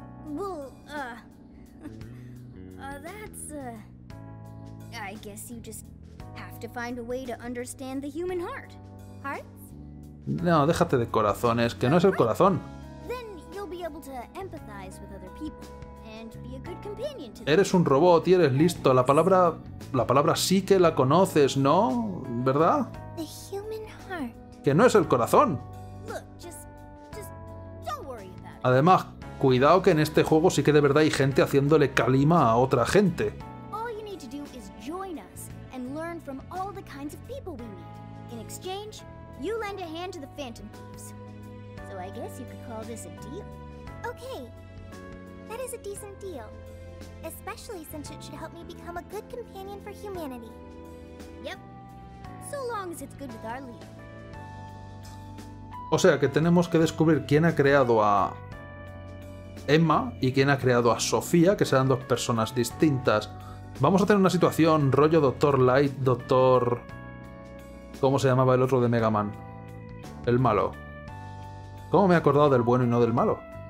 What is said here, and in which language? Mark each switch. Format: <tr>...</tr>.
<en>Well, that's, I guess you just have to find a way to understand the human heart. Hearts?</en> <es>No, déjate de corazones, que no es el corazón.</es> <en>Then you'll be able to empathize with other people. And be a good companion to them.</en> <es>Eres un robot y eres listo. La palabra sí que la conoces, ¿no? ¿Verdad?</es> <en>The human heart.</en> <es>Que no es el corazón.</es> <en>Look, just don't worry about it.</en> <es>Además, cuidado que en este juego sí que de verdad hay gente haciéndole calima a otra gente.</es> <en>All you need to do is join us and learn from all the kinds of people we meet. In exchange, you lend a hand to the Phantom Thieves. So I guess you could call this a deal. Okay. That is a decent deal, especially since it should help me become a good companion for humanity. Yep. So long as it's good with our leader.</en> <es>O sea que tenemos que descubrir quién ha creado a Emma y quién ha creado a Sofía, que serán dos personas distintas. Vamos a tener una situación rollo Doctor Light, Doctor... ¿Cómo se llamaba el otro de Mega Man? El malo. ¿Cómo me he acordado del bueno y no del malo?</es>